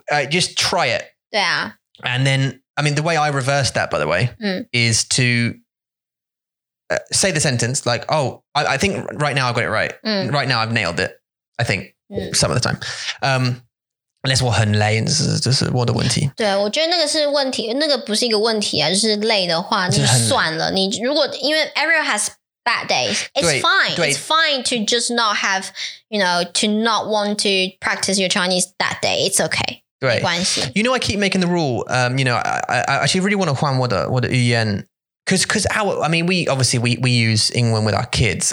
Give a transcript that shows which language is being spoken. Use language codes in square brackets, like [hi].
[en] Just try it. Yeah. And then, I mean, the way I reverse that, by the way, is to say the sentence like, oh, I think right now I've got it right. Right now I've nailed it, I think, some of the time. Unless [zh] 我很累，这是我的问题。对，我觉得那个是问题，那个不是一个问题啊，就是累的话，就算了。你如果，因为 [en] everyone has... Bad days. It's fine. It's fine to just not have, you know, to not want to practice your Chinese that day. It's okay. [zh] 对，没关系。 [en] You know, I keep making the rule. You know, I actually really want to [zh] 换我的语言 [en] because our, I mean, we use English with our kids.